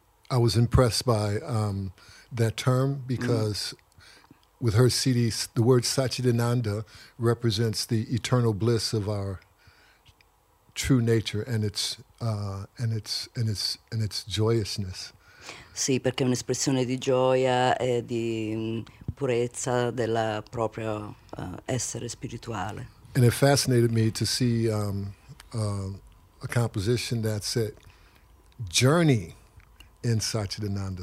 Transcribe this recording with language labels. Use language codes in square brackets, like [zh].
[en] I was impressed by that term because with her CD, the word Satchitananda represents the eternal bliss of our true nature and its joyousness. [it] Sì, perché è un'espressione di gioia e di purezza della propria essere spirituale. [en] And it fascinated me to see a composition that said journey in Satchitananda.